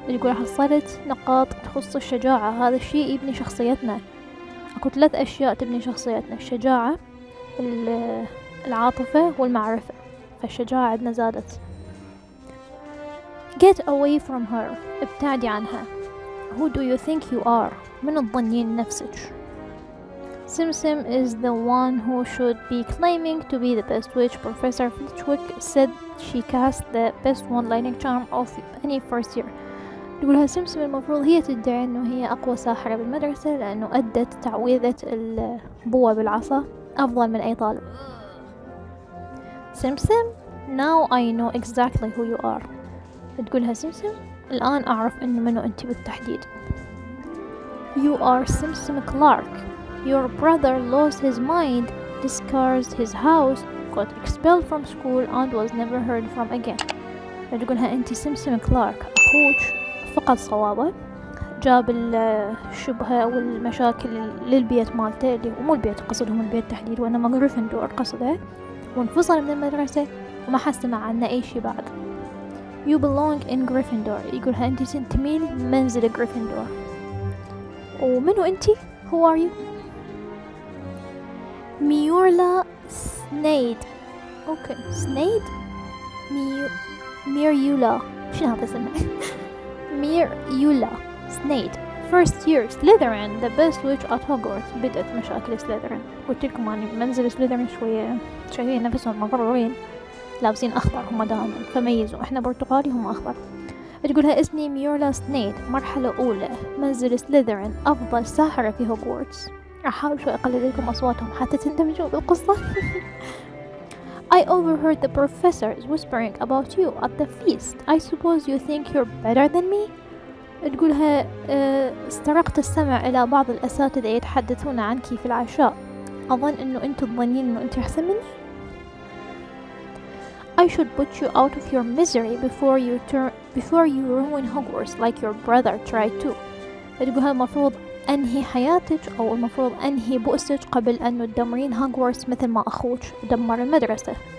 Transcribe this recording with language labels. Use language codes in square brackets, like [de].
[ar] يقول حصلت نقاط تخص الشجاعة، هذا الشيء يبني شخصيتنا، أكو 3 أشياء تبني شخصيتنا، الشجاعة، العاطفة، والمعرفة، فالشجاعة عندنا زادت، [en] Get away from her، [ar] ابتعدي عنها، [en] Who do you think you are؟ [ar] من تظنين نفسك؟ [en] Simsim is the one who should be claiming to be the best witch. Professor Flitwick said she cast the best one-lining charm of any first year. [ar] تقولها سمسم المفروض هي تدعي انه هي اقوى ساحرة بالمدرسة لانه ادت تعويذة البوة بالعصا افضل من اي طالب. [en] سمسم now I know exactly who you are. [ar] تقولها سمسم الان اعرف انه منو انت بالتحديد. [en] You are Simsim Clark. Your brother lost his mind, discards his house, got expelled from school and was never heard from again. [ar] تقولها انت سمسم كلارك اخوك فقد صوابه جاب الشبهة والمشاكل للبيت مالته اللي مو البيت قصدهم البيت تحديد وانا ما غريفندور قصده وانفصل من المدرسة وما حس سمع عنه اي شي بعد. [en] You belong in Gryffindor. [ar] يقولها انت تنتمين منزل غريفندور. ومنو انت؟ [en] Who are you؟ [ar] ميورلا سنيد. اوكي سنيد ميريولا شنو هذا اسمها؟ ميريولا سنيد first year سليذرين [en] the best witch at Hogwarts. [ar] بدأت مشاكل سليذرين قلتلكم اني منزل سليذرين شوية شايفين نفسهم مغرورين لابسين اخضر هما دائما فميزوا احنا برتقالي هما اخضر. تقولها اسمي ميورلا سنيد مرحلة اولى منزل سليذرين افضل ساحرة في هوغورتس. احاول شوي اقلد لكم اصواتهم حتى تندمجوا بالقصة. [en] I overheard the professors whispering about you at the feast. I suppose you think you're better than me. [ar] تقولها استرقت السمع الى بعض الاساتذة يتحدثون عنك في العشاء اظن انه انتم ظنين انه انت احسن مني. [en] I should put you out of your misery before you ruin Hogwarts like your brother tried to. [ar] تقولها المفروض انهي حياتك او المفروض انهي بؤسك قبل ان تدمرين هوغورتس مثل ما اخوك دمر المدرسة.